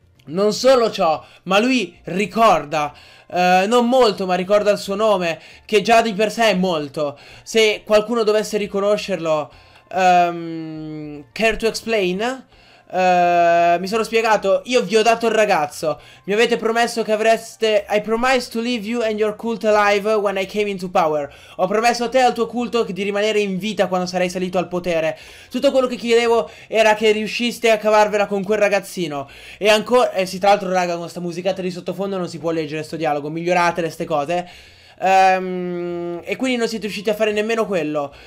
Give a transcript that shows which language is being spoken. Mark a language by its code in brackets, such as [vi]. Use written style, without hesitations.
[it] Non solo ciò, ma lui ricorda, non molto, ma ricorda il suo nome, che già di per sé è molto. Se qualcuno dovesse riconoscerlo, [en] care to explain? [it] Mi sono spiegato, io vi ho dato il ragazzo. Mi avete promesso che avreste... [en] I promised to leave you and your cult alive when I came into power. [it] Ho promesso a te e al tuo culto di rimanere in vita quando sarei salito al potere. Tutto quello che chiedevo era che riusciste a cavarvela con quel ragazzino. E ancora... sì, tra l'altro, raga, con questa musicata di sottofondo non si può leggere sto dialogo. Miglioratele ste cose. E quindi non siete riusciti a fare nemmeno quello.